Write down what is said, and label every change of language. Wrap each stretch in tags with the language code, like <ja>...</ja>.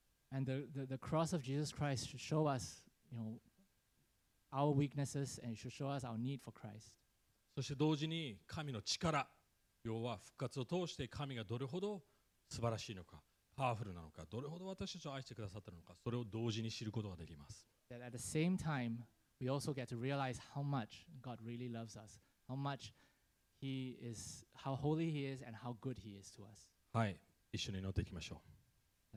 <en>And the cross of Jesus Christ should show us, you know, our weaknesses and should show us our need for Christ.</en> <ja>そして同時に神の力、要は復活を通して神がどれほど素晴らしいのか、パワフルなのか、どれほど私たちを愛してくださったのか、それを同時に知ることができます。</ja> <en>That at the same time,We also get to realize how much God really loves us, how much He is, how holy He is, and how good He is to us.</en> <ja>はい、一緒に祈っていきましょう。</ja>